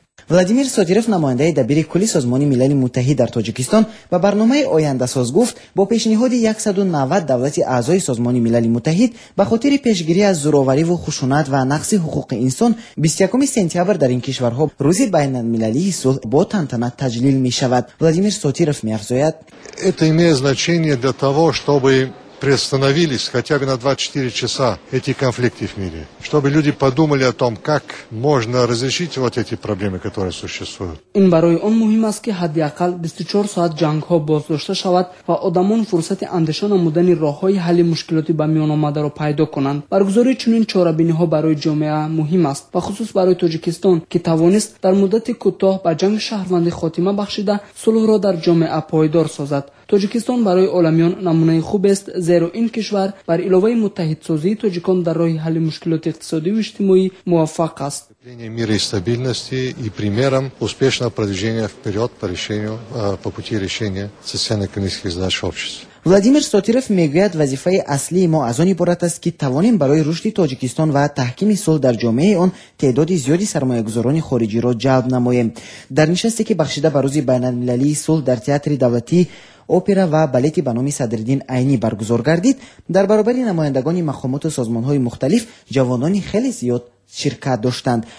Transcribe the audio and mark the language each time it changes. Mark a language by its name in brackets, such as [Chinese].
[Persian] ولادیمیر صادیرف نماینده دبیر کلی سازمان ملل متحد در تاجیکستان با برنامه آینده ساز گفت با پیشنهاد 190 دولت اعضای سازمان ملل متحد به خاطر پیشگیری از زورآوری و خشونت و نقض حقوق انسان 21 سپتامبر در این کشورها روز بین المللی صلح با تنتنه تجلیل می شود. ولادیمیر صادیرف می افزاید [Russian] это имеет значение для того, чтобы приостановились хотя бы на 24 часа эти конфликты в мире, чтобы люди подумали о том, как можно разрешить вот эти проблемы, которые существуют. [Tajik] Ин барои он муҳим аст ки ҳаддиақал 24 соат ҷангҳо боздошта шавад ва одамон фурсати андеша намудани роҳҳои ҳалли мушкилоти ба миён омадаро пайдо кунанд. Баргузории чунин чорабиниҳо барои ҷомеа муҳим аст, ва хусус барои Тоҷикистон, ки тавонист дар муддати кӯтоҳ ба ҷанг шаҳрванди хотима бахшида, сулҳро дар ҷомеа пайдор созад. Тоҷикистон барои оламиён намунаи хуб аст, зеро ин кишвар бар иловаи муттаҳидсозии тоҷикон дар роҳи ҳалли мушкилоти иқтисодӣ ва иҷтимоӣ муваффақ аст. [Russian] Укрепление мира и стабильности и примером успешного продвижения вперед по решению по пути решения социально-экономических задач общества. [Tajik] Владимир Сотиров мегуяд вазифаи аслии мо аз он иборат аст ки тавонем барои рушди Тоҷикистон ва таҳкими сулҳ дар ҷомеаи он теъдоди зиёди сармоягузорони хориҷиро ҷалб намоем. Дар нишасте ки бахшида ба рӯзи байналмилалии сулҳ дар театри давлатӣ опера ва балети ба номи Садриддин Айнӣ баргузор гардид, дар баробари намояндагони мақомоту созмонҳои мухталиф ҷавонони хеле зиёд ширкат доштанд.